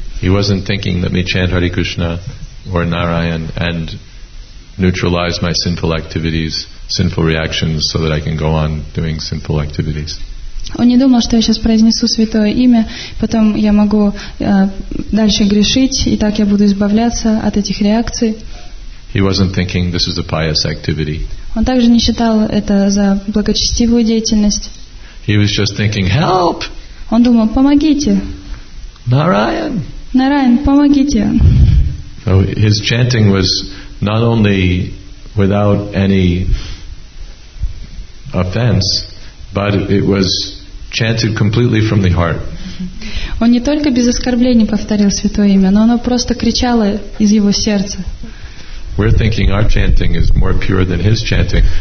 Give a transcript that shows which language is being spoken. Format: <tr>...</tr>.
<en>He wasn't thinking, let me chant Hare Krishna or Narayan and neutralize my sinful activities, sinful reactions, so that I can go on doing sinful activities.</en> <ru>Он не думал, что я сейчас произнесу святое имя, потом я могу дальше грешить, и так я буду избавляться от этих реакций.</ru> <en>He wasn't thinking this is a pious activity.</en> <ru>Он также не считал это за благочестивую деятельность.</ru> <en>He was just thinking, help!</en> <ru>Он думал, помогите!</ru> <en>Narayan!</en> <ru>Narayan, помогите!</ru> <en>So his chanting was not only without any offense, but it was chanted completely from the heart.</en> <ru>Он не только без оскорблений повторил святое имя, но оно просто кричало из его сердца.</ru> <en>We're thinking our chanting is more pure than his chanting.</en>